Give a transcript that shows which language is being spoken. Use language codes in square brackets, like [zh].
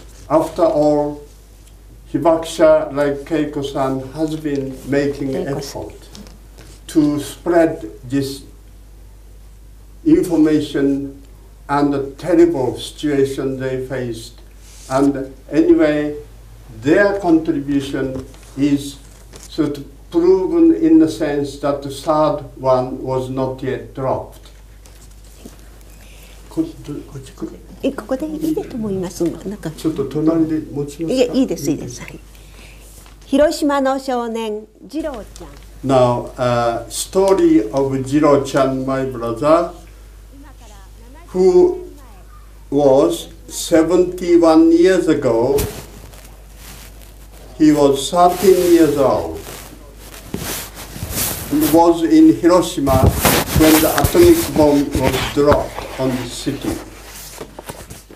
[en] After all, Hibakusha, like Keiko-san, has been making effort to spread this information and the terrible situation they faced. And anyway, their contribution is sort of proven in the sense that the third one was not yet dropped. [ja] ここでいいでと思います。なんかちょっと隣で持ちますか。いいです、いいです。広島の少年ジロちゃん。 [en] Now, story of Jiro-chan, my brother, who was 71 years ago, he was 13 years old, was in Hiroshima when the atomic bomb was dropped.